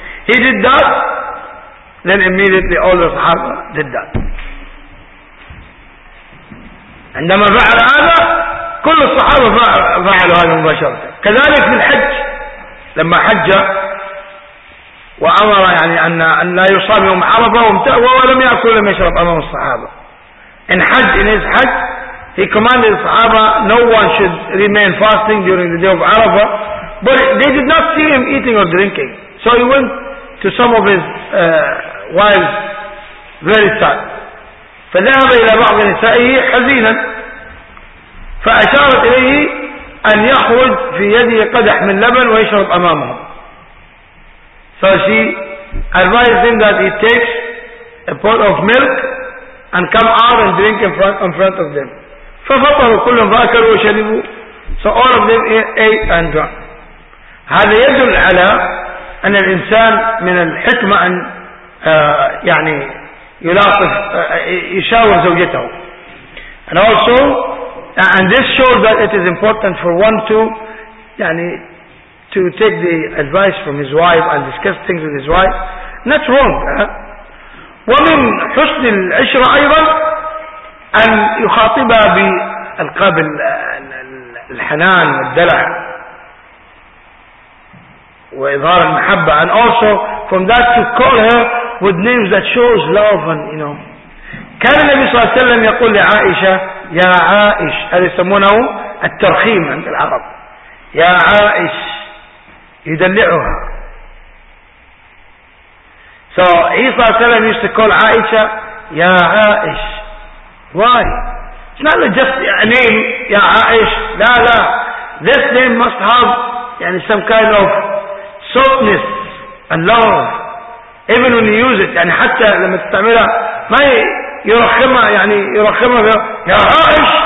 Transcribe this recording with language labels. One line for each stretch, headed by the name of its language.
English: He did that, then immediately all the Sahaba did that.
Arabic: عندما فعل هذا كل الصحابة فعلوا هذا مباشرة. كذلك في الحج لما حج وأمر يعني أن لا يصاب يوم عرفة ولم يأكل ولم يشرب أمام الصحابة.
English: In his Hajj, he commanded الصحابة no one should remain fasting during the day of Arafah, but they did not see him eating or drinking. So he went to some of his wives very sad.
Arabic: فذهب إلى بعض نسائه حزينا فأشارت إليه أن يخرج في يده قدح من لبن ويشرب أمامهم.
English: So she advised him that he takes a pot of milk and come out and drink in front of them.
Arabic: ففطروا كلهم فأكلوا وشربوا.
English: So all of them ate and drank.
Arabic: هذا يدل على أن الإنسان من الحكمة أن يعني يلاطف يشاور زوجته.
English: And also, and this shows that it is important for one to يعني to take the advice from his wife and discuss things with his wife. Not wrong.
Arabic: ومن حسن العشرة أيضا أن يخاطبها بألقاب الحنان والدلع وإظهار المحبة.
English: And also from that to call her with names that shows love and you know.
Arabic: كان النبي صلى الله عليه وسلم يقول لعائشة يا عائش, هذا يسمونه الترخيم عند العرب, يا عائش, يدلعها.
English: So he صلى الله عليه وسلم used to call عائشة يا عائش. Why? It's not just a name, يا عائش.
Arabic: لا لا,
English: this name must have يعني some kind of softness and love even when you use it.
Arabic: يعني حتى لما تستعملها ما يرخمها, يعني يرخمها يا عائش.